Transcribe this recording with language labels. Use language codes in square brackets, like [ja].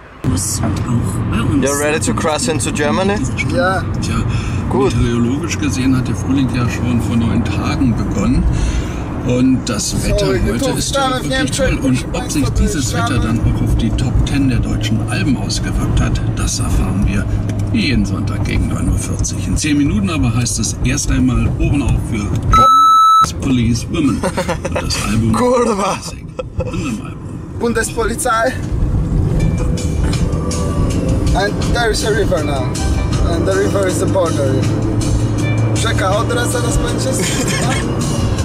[en] Yes. You're ready to cross into Germany? Yeah. [de] Ja. Gut. Meteorologisch gesehen hat der Frühling ja schon vor 9 Tagen begonnen. Und das Wetter heute ist ja auch wirklich toll. Und ob sich dieses Wetter dann auch auf die Top 10 der deutschen Alben ausgewirkt hat, das erfahren wir jeden Sonntag gegen 9.40 Uhr. In 10 Minuten aber heißt es erst einmal oben auf für Police Women. Und das Album. Cool, was? Bundespolizei. [en] And there is a river now. And the river is the border river. [pl] Czeka, od razu nas będziesz.